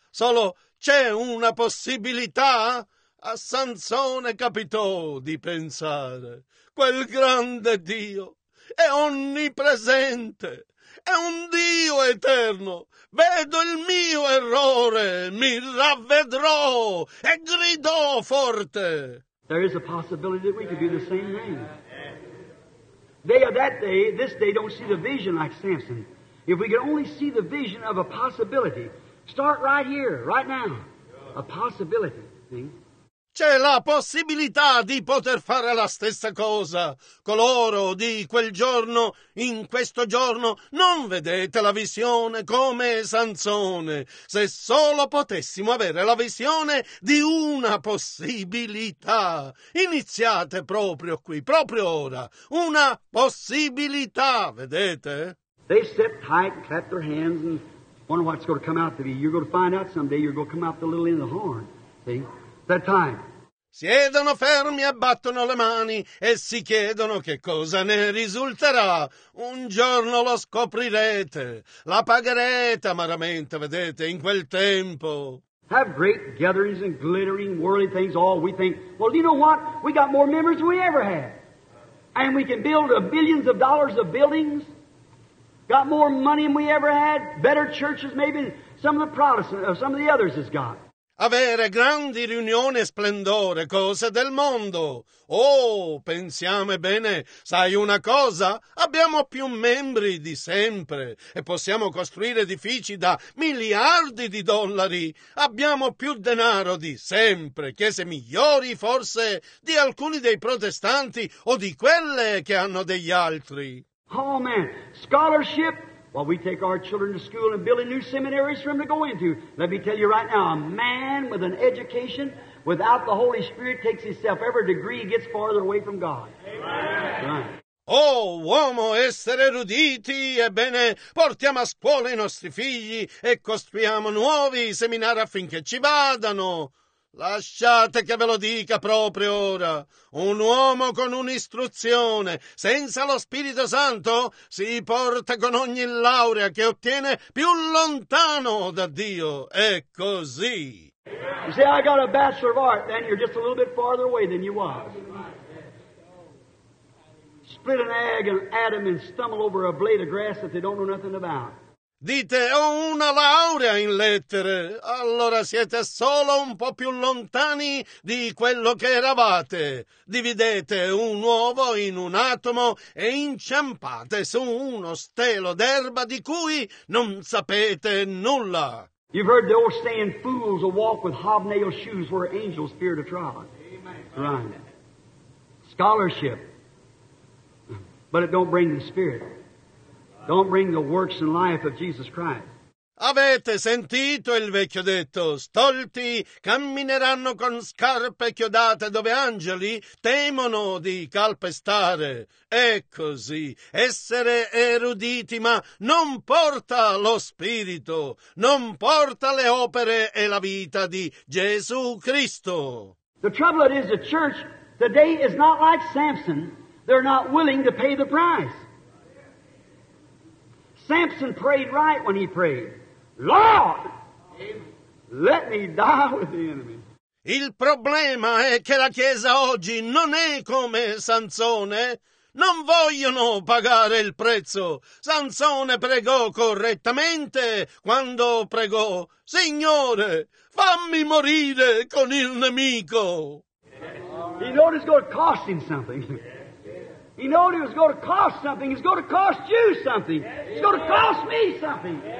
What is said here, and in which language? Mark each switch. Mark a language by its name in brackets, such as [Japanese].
[Italian] Solo c'è una possibilità? A Sansone capitò di pensare, quel grande Dio è onnipresente, è un Dio eterno. Vedo il mio errore, mi ravvedrò, e gridò forte. [English] There is a possibility that we could do the same thing. They of that day, this day, don't see the vision like Samson. If we could only see the vision of a possibility, start right here, right now, a possibility, see? [Italian] c'è la possibilità di poter fare la stessa cosa. Coloro di quel giorno, in questo giorno, non vedete la visione come Sansone. Se solo potessimo avere la visione di una possibilità. Iniziate proprio qui, proprio ora. Una possibilità, vedete? [English] They sit tight, clap their hands, and wonder what's going to come out to be. You're going to find out someday you're going to come out the little end of the horn. See? That time. [Italian] Siedono fermi e battono le mani e si chiedono che cosa ne risulterà. Un giorno lo scoprirete. La pagherete amaramente, vedete, in quel tempo. [English] Have great gatherings and glittering, worldly things, all we think. Well, you know what? We got more members than we ever had. And we can build billions of dollars of buildings. Got more money than we ever had. Better churches maybe some of the Protestants or some of the others has got. [Italian] Avere grandi riunioni e splendore, cose del mondo. Oh, pensiamo bene, sai una cosa? Abbiamo più membri di sempre e possiamo costruire edifici da miliardi di dollari. Abbiamo più denaro di sempre, chiese migliori forse di alcuni dei protestanti o di quelle che hanno degli altri. [English] Oh man, scholarship! While we take our children to school and building new seminaries for them to go into. Let me tell you right now, a man with an education without the Holy Spirit takes himself every degree he gets farther away from God. Amen. Right. [Italian] Oh, uomo, essere eruditi, ebbene, portiamo a scuola i nostri figli e costruiamo nuovi seminari affinché ci vadano. Lasciate che ve lo dica proprio ora. Un uomo con un'istruzione, senza lo Spirito Santo, si porta con ogni laurea che ottiene più lontano da Dio. È così. [English] You say, I got a Bachelor of Art, then you're just a little bit farther away than you was. Split an egg and Adam and stumble over a blade of grass that they don't know nothing about. [Italian] Dite, ho una laurea in lettere. Allora siete solo un po' più lontani di quello che eravate. Dividete un uovo in un atomo e inciampate su uno stelo d'erba di cui non sapete nulla. [English] You've heard the old saying, fools will walk with hobnail shoes where angels fear to trod. Amen. Right. Scholarship. But it don't bring the Spirit. Don't bring the works and life of Jesus Christ. [Italian] Avete sentito il vecchio detto, stolti cammineranno con scarpe chiodate dove angeli temono di calpestare. È così, essere eruditi ma non porta lo Spirito, non porta le opere e la vita di Gesù Cristo. [English] The trouble is the church today is not like Samson, they're not willing to pay the price. Samson prayed right when he prayed. Lord, let me die with the enemy. [Italian] Il problema è che la Chiesa oggi non è come Sansone. Non vogliono pagare il prezzo. Sansone pregò correttamente quando pregò. Signore, fammi morire con il nemico. [English] He knew it was going to cost him something. He knew it was going to cost something. It's going to cost you something. It's going to cost me something.